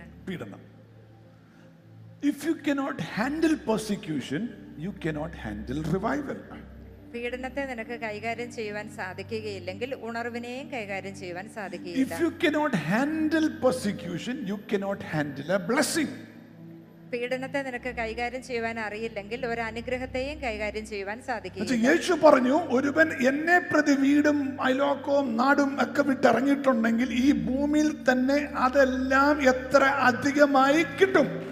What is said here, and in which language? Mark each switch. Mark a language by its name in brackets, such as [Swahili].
[Malayalam] പീഡനം. [English] If you cannot handle persecution, you cannot handle revival. [Malayalam] പീഡനത്തെ നിനക്ക് കൈകാര്യം ചെയ്യുവാൻ സാധിക്കുകയില്ലെങ്കിൽ ഉണർവിനെയും കൈകാര്യം ചെയ്യുവാൻ സാധിക്കില്ല. [English] If you cannot handle persecution, you cannot handle a blessing. [Malayalam] പീഡനത്തെ നിനക്ക് കൈകാര്യം ചെയ്യുവാൻ അറിയില്ലെങ്കിൽ ഒരു അനുഗ്രഹത്തെയും കൈകാര്യം ചെയ്യുവാൻ സാധിക്കില്ല. അതായത് യേശു പറഞ്ഞു, ഒരുവൻ എന്നെ പ്രതി വീടും അയലോക്കവും നാടും ഒക്കെ വിട്ടിറങ്ങിയിട്ടുണ്ടെങ്കിൽ ഈ ഭൂമിയിൽ തന്നെ അതെല്ലാം എത്ര അധികമായി കിട്ടും.